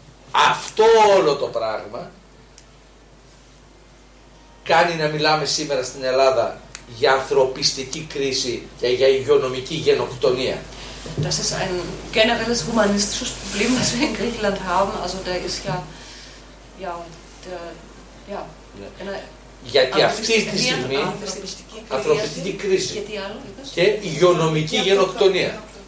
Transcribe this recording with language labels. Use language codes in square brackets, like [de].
[el] Αυτό όλο το πράγμα κάνει να μιλάμε σήμερα στην Ελλάδα για ανθρωπιστική κρίση και για υγειονομική γενοκτονία. [de] Das ist ein generelles humanistisches Problem, das wir in Griechenland haben. Also der ist ja, ja, der, ja. [el] Γιατί αυτή τη στιγμή ανθρωπιστική κρίση και υγειονομική γενοκτονία.